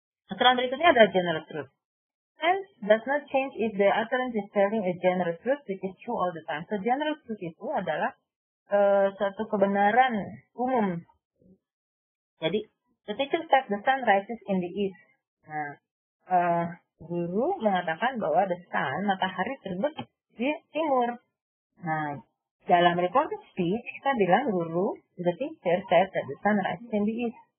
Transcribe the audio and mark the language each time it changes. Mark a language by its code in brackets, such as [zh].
[id] Aturan berikutnya adalah general truth. [en] Tense does not change if the utterance is telling a general truth which is true all the time. [id] So general truth itu adalah suatu kebenaran umum. [en] Jadi, the teacher says the sun rises in the east. [id] Nah, guru mengatakan bahwa the sun, matahari terbit di timur. Nah, dalam recorded speech kita bilang guru, [en] the teacher says that the sun rises in the east.